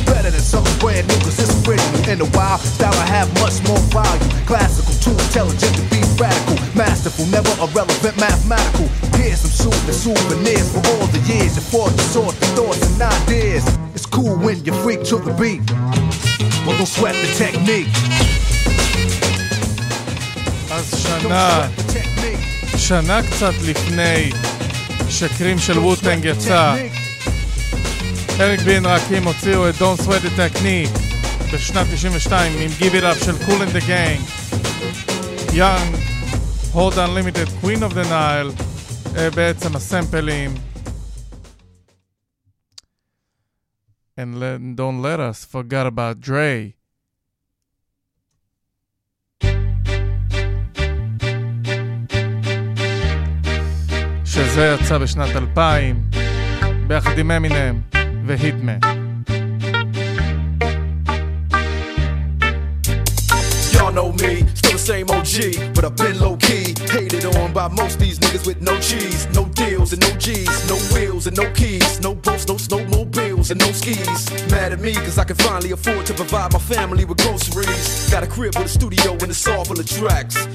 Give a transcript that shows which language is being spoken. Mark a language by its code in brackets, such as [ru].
[en] Better than something brand new, cause it's original. In a wild style, I have much more value. Classical, too intelligent to be radical. Masterful, never irrelevant, mathematical. Here's some soothing souvenirs for all the years. You fought the sword, the thoughts and ideas. It's cool when you freak to the beat. Well, don't sweat the technique. [he] אז שנה, שנה קצת לפני שקרים של ווטנג יצא, אריק בי אנד רקים הוציאו את Don't Sweat the Technique. בשנת 92 עם Give It Up של Cool and the Gang, Young, Hold Unlimited, Queen of the Nile, בעצם הסמפלים. [en] And don't let us forget about Dre. [he] שזה יצא בשנת 2000, ביחד עם אמינם והיטמן. [en] Know me, still the same OG, but I've been low key, hated on by most these niggas with no cheese, no deals and no G's, no wheels and no keys, no boats, no snowmobiles and no skis, mad at me cause I can finally afford to provide my family with groceries, got a crib with a studio and a saw full of tracks,